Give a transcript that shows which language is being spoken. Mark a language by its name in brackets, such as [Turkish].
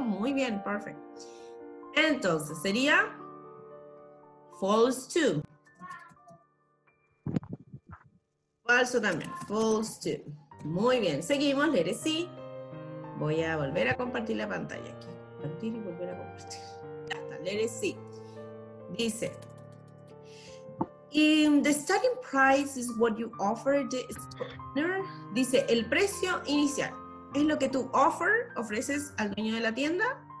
[Spanish] Muy bien, perfecto. Entonces, sería [English] false too. [Spanish] Falso también. [English] False too. [Spanish] Muy bien. Seguimos. Leeré sí. Voy a volver a compartir la pantalla aquí. Compartir y volver a compartir. Ya está. Leeré sí. Dice, [English] the starting price is what you offer the owner. [Spanish] Dice, el precio inicial es lo que tú ofreces al dueño de la tienda.